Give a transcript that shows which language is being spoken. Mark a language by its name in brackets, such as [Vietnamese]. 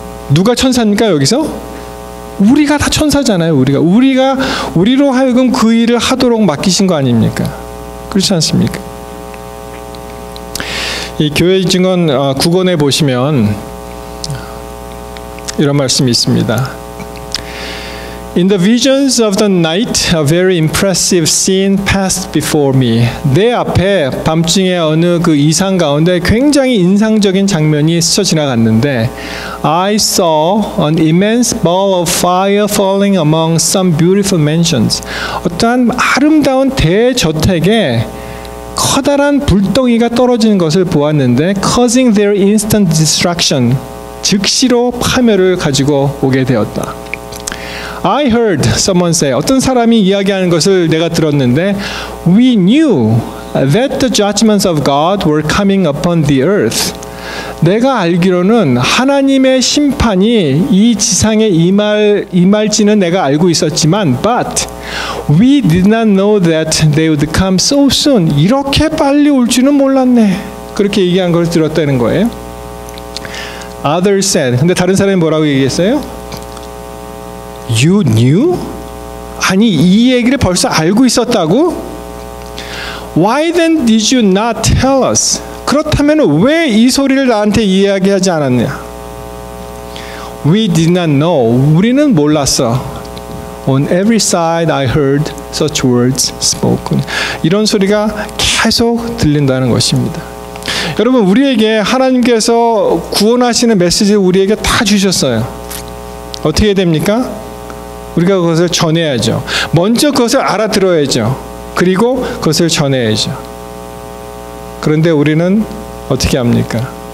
[Korean] 누가 천사입니까 여기서? 우리가 다 천사잖아요. 우리가 우리로 하여금 그 일을 하도록 맡기신 거 아닙니까? 그렇지 않습니까? 이 교회 증언 9권에 보시면 이런 말씀이 있습니다. [English] In the visions of the night, a very impressive scene passed before me. [Korean] 내 앞에 밤중에 어느 그 이상 가운데 굉장히 인상적인 장면이 스쳐 지나갔는데 [English] I saw an immense ball of fire falling among some beautiful mansions. [Korean] 어떠한 아름다운 대저택에 커다란 불덩이가 떨어지는 것을 보았는데 [English] causing their instant destruction, [Korean] 즉시로 파멸을 가지고 오게 되었다. [English] I heard someone say, [Korean] 어떤 사람이 이야기하는 것을 내가 들었는데, [English] We knew that the judgments of God were coming upon the earth. [Korean] 내가 알기로는 하나님의 심판이 이 지상에 임할지는 내가 알고 있었지만, [English] But we did not know that they would come so soon. [Korean] 이렇게 빨리 올 줄은 몰랐네. 그렇게 얘기한 걸 들었다는 거예요. [English] Others said. [Korean] 근데 다른 사람이 뭐라고 얘기했어요? [English] You knew? [Korean] 아니, 이 얘기를 벌써 알고 있었다고? [English] Why then did you not tell us? [Korean] 그렇다면 왜 이 소리를 나한테 이야기하지 않았냐? [English] We did not know. [Korean] 우리는 몰랐어. [English] On every side I heard such words spoken. [Korean] 이런 소리가 계속 들린다는 것입니다. 여러분, 우리에게 하나님께서 구원하시는 메시지를 우리에게 다 주셨어요. 어떻게 해야 됩니까? 우리가 그것을 전해야죠. 먼저 그것을 알아들어야죠. 그리고 그것을 전해야죠. 그런데 우리는 어떻게 합니까?